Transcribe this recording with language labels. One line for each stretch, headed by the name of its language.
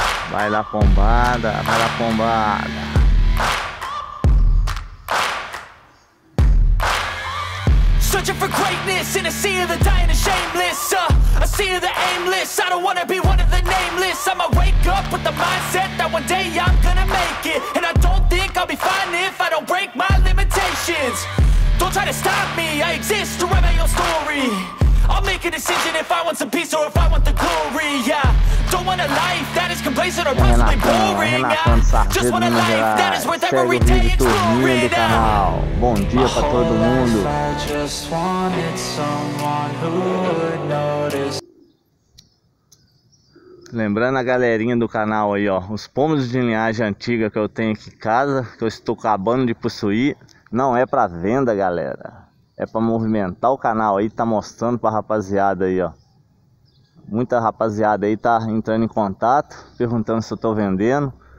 Portuguese: Vai lá, pombada, vai lá, pombada.
English: Searching for greatness in a sea of the dying and shameless. A sea of the aimless. I don't wanna be one of the nameless. I'ma wake up with the mindset that one day I'm gonna make it. And I don't think I'll be fine if I don't break my limitations. Don't try to stop me, I exist to write my own story. I'll make a decision if I want some peace or if I want the glory, yeah. Don't want a life that is complacent or possibly boring, yeah. Just want a life that is worth every day exploring, yeah.
Portuguese: Bom dia pra todo mundo.
English: I just wanted someone who would notice.
Portuguese: Lembrando a galerinha do canal aí, ó, os pomos de linhagem antiga que eu tenho aqui em casa, que eu estou acabando de possuir, não é pra venda, galera. É pra movimentar o canal aí, tá mostrando pra rapaziada aí, ó. Muita rapaziada aí tá entrando em contato, perguntando se eu tô vendendo.